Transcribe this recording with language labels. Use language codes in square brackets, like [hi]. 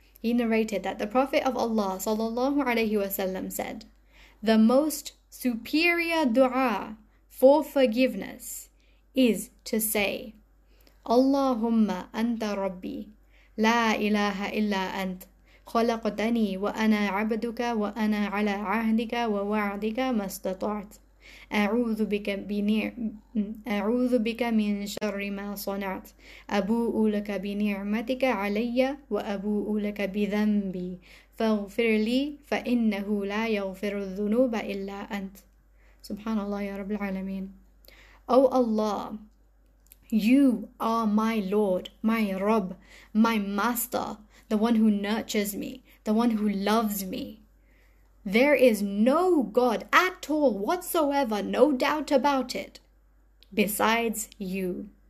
[en] He narrated that the Prophet of Allah, sallallahu alayhi wasallam, said, "The most superior dua for forgiveness is to say, [ar] Allahumma anta rabbi, la ilaha illa ant. خلقتني وأنا عبدك وأنا على عهدك ووعدك ما استطعت أعوذ بك من شر ما صنعت أبوء لك بنعمتك علي وأبوء لك بذنبي فاغفر لي فإنه لا يغفر الذنوب إلا أنت." سبحان الله يا رب العالمين. [en] Oh Allah, You are my Lord, my Rabb, my Master, the one who nurtures me, the one who loves me. There is no God at all whatsoever, no doubt about it, besides you.